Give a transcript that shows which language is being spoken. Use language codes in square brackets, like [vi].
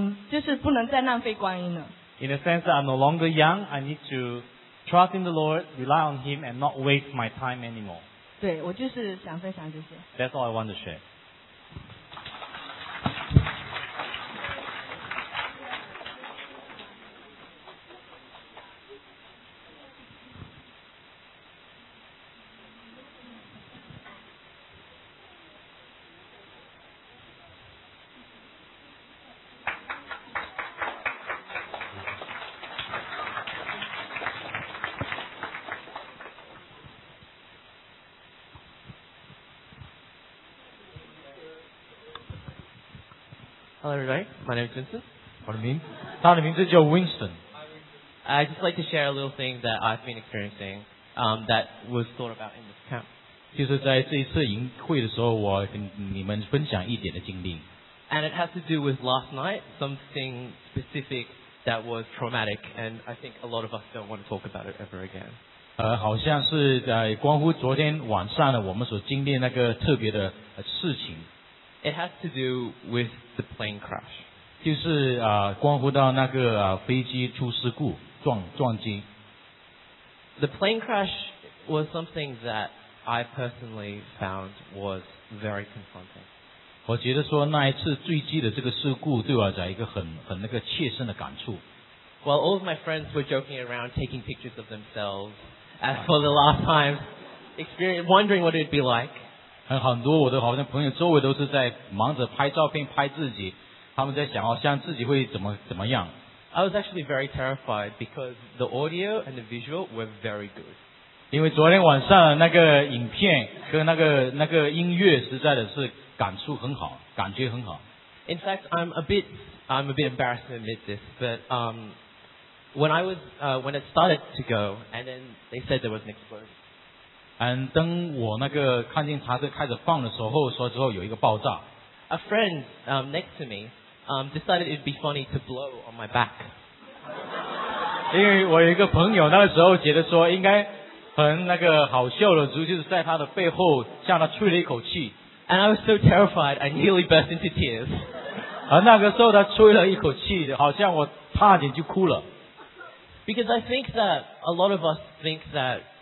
[zh] 就是不能再浪费光阴了。 [en] In a sense, I'm no longer young. I need to trust in the Lord, rely on Him, and not waste my time anymore. [zh] 对，我就是想分享这些。 [en] That's all I want to share. Hello, everybody. My name is Vincent. What do you mean? [zh] 他的名字叫 Winston. [en] I'd just like to share a little thing that I've been experiencing that was thought about in this camp. [zh] 就是在这一次营会的时候，我跟你们分享一点的经历。 [en] And it has to do with last night, something specific that was traumatic, and I think a lot of us don't want to talk about it ever again. [zh] 好像是在关乎昨天晚上的我们所经历那个特别的事情。 [en] It has to do with the plane crash. [zh] 就是关乎到那个飞机出事故撞击。 [en] The plane crash was something that I personally found was very confronting. [zh] 我觉得说那一次坠机的这个事故对我在一个很那个切身的感触。 [en] While all of my friends were joking around taking pictures of themselves as for the last time, wondering what it would be like. [zh] 很多我的好像朋友周围都是在忙着拍照片拍自己，他们在想哦，像自己会怎么样。 [en] I was actually very terrified because the audio and the visual were very good. [zh] 因为昨天晚上那个影片跟那个音乐实在的是感触很好，感觉很好。 [en] In fact, I'm a bit embarrassed to admit this, but when it started to go, and then they said there was an explosion. [zh] And 当我那个看见他这开始放的时候，说之后有一个爆炸。 [en] A friend next to me decided it'd be funny to blow on my back. [zh] 因为我有一个朋友那个时候觉得说应该很那个好笑的，就是在他的背后向他吹了一口气。 [en] And I was so terrified, I nearly burst into tears. [zh] 而那个时候他吹了一口气，好像我差点就哭了。 [en] Because I think that a lot of us think that